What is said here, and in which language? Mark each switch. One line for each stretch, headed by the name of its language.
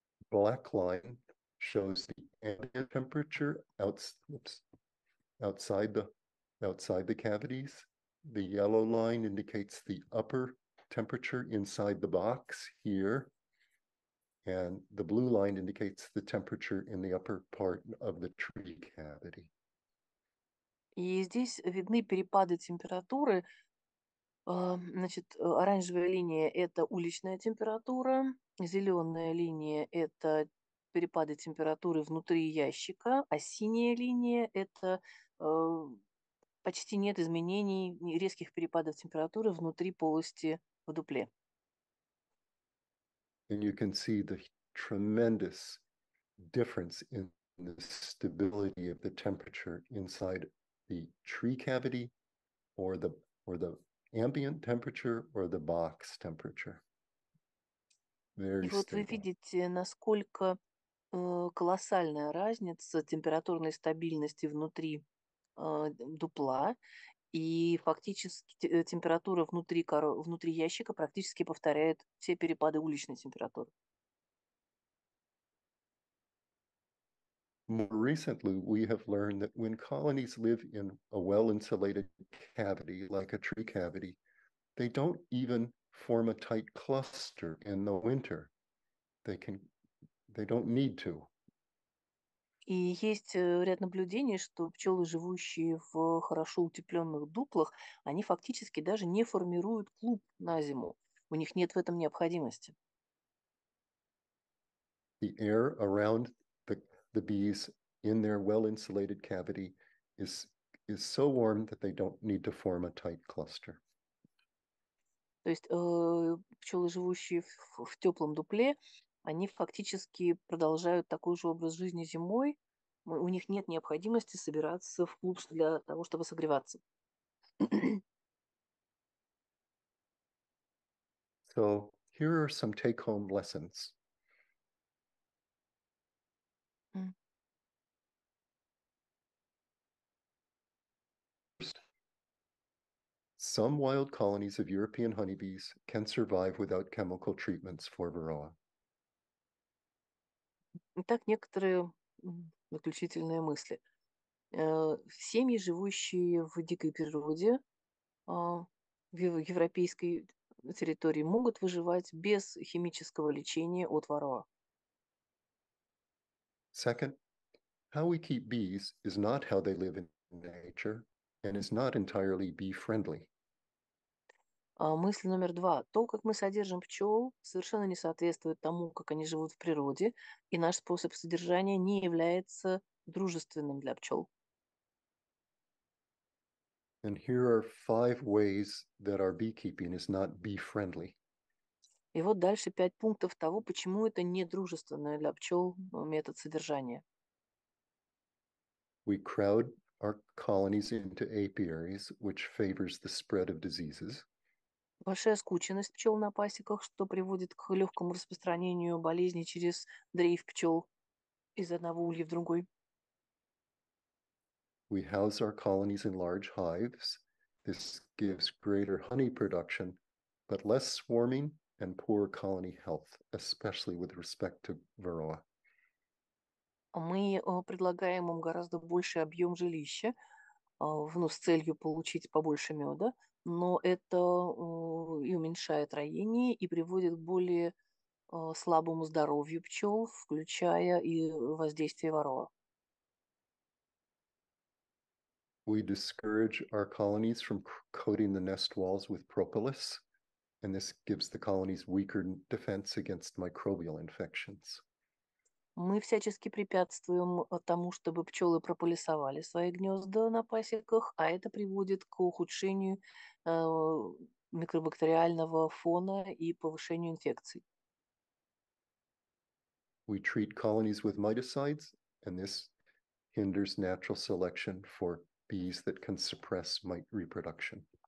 English: Black line shows the ambient temperature outside the cavities. The yellow line indicates the upper temperature inside the box here. And the blue line indicates the temperature in the upper part of the tree cavity.
Russian: И здесь видны перепады температуры. Значит, оранжевая линия – это уличная температура, зеленая линия – это перепады температуры внутри ящика, а синяя линия – это почти нет изменений, резких перепадов температуры внутри полости в дупле.
English: And you can see the tremendous difference in the stability of the temperature inside the tree cavity, or the ambient temperature, or the box temperature. Very stable.
Russian: И вот вы видите, насколько колоссальная разница температурной стабильности внутри дупла, и фактически температура внутри ящика практически повторяет все перепады уличной температуры.
English: More recently, we have learned that when colonies live in a well-insulated cavity, like a tree cavity, they don't even form a tight cluster in the winter. They don't need to.
Russian: И есть ряд наблюдений, что пчелы, живущие в хорошо утепленных дуплах, они фактически даже не формируют клуб на зиму. У них нет в этом необходимости.
English: The air around the bees in their well-insulated cavity is so warm that they don't need to form a tight cluster.
Russian: То есть пчелы, живущие в теплом дупле, они фактически продолжают такой же образ жизни зимой. У них нет необходимости собираться в клуб для того, чтобы согреваться.
English: So, here are some take-home lessons. Some wild colonies of European honeybees can survive without chemical treatments for varroa.
Russian: Итак, некоторые заключительные мысли. Семьи, живущие в дикой природе, в европейской территории, могут выживать без химического лечения от варроа.
English: Second, how we keep bees is not how they live in nature and is not entirely bee-friendly.
Russian: Мысль номер два. То, как мы содержим пчел, совершенно не соответствует тому, как они живут в природе, и наш способ содержания не является дружественным для пчел.
English: And here are five ways that our beekeeping is not bee-friendly.
Russian: И вот дальше пять пунктов того, почему это не дружественный для пчел метод содержания.
English: We crowd our colonies into apiaries, which favors the spread of diseases.
Russian: Большая скученность пчел на пасеках, что приводит к легкому распространению болезней через дрейф пчел из одного улья в другой.
English: We house our colonies in large hives. This gives greater honey production, but less swarming and poor colony health, especially with respect to varroa.
Russian: Мы предлагаем им гораздо больший объем жилища, ну, с целью получить побольше меда, но это и уменьшает роение и приводит к более слабому здоровью пчел, включая и воздействие варроа.
English: We discourage our colonies from coating the nest walls with propolis, and this gives the colonies weaker defense against microbial infections.
Russian: Мы всячески препятствуем тому, чтобы пчелы прополисовали свои гнезда на пасеках, а это приводит к ухудшению микробактериального фона и повышению инфекций.
English: We treat colonies with miticides, and this hinders natural selection for bees that can suppress mite reproduction.